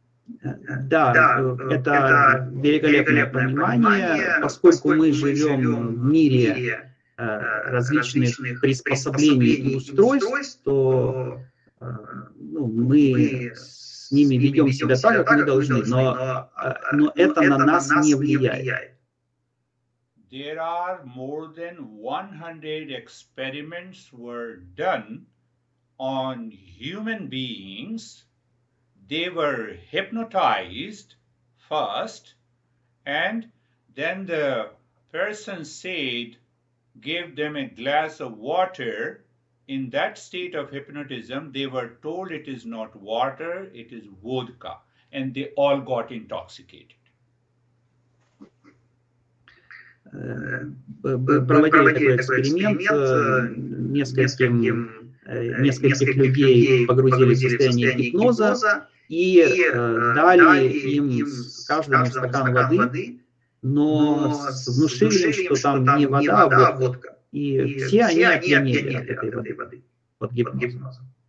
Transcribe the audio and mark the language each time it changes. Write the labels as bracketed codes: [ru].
[ru] Да, это великолепное понимание, поскольку мы живем в мире различных приспособлений и устройств, то ну, мы с ними ведем себя так, как мы должны, но это на нас не влияет. [en] There are more than 100 experiments were done on human beings. They were hypnotized first, and then the person said, gave them a glass of water. In that state of hypnotism, they were told it is not water, it is vodka, and they all got intoxicated. [ru] Проводили такой эксперимент, нескольких людей погрузили в состояние гипноза и дали им каждому стакан воды, но внушили им, что там не вода, а водка, и все они опьянели от этой воды, под гипнозом.